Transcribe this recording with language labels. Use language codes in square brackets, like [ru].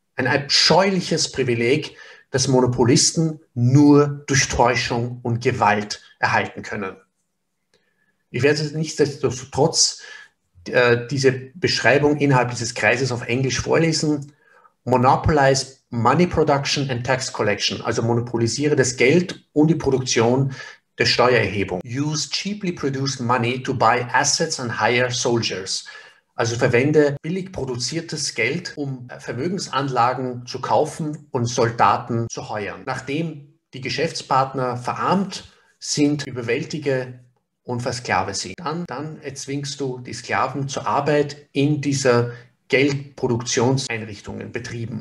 [de] Ein abscheuliches Privileg, das Monopolisten nur durch Täuschung und Gewalt erhalten können. Ich werde es nichtsdestotrotz diese Beschreibung innerhalb dieses Kreises auf Englisch vorlesen. [en] Monopolize Money Production and Tax Collection, [de] also monopolisiere das Geld und die Produktion der Steuererhebung. [en] Use cheaply produced money to buy assets and hire soldiers. [de] Also verwende billig produziertes Geld, um Vermögensanlagen zu kaufen und Soldaten zu heuern. Nachdem die Geschäftspartner verarmt sind, überwältige und versklave sie. Dann erzwingst du die Sklaven zur Arbeit in dieser Geldproduktionseinrichtungen betrieben.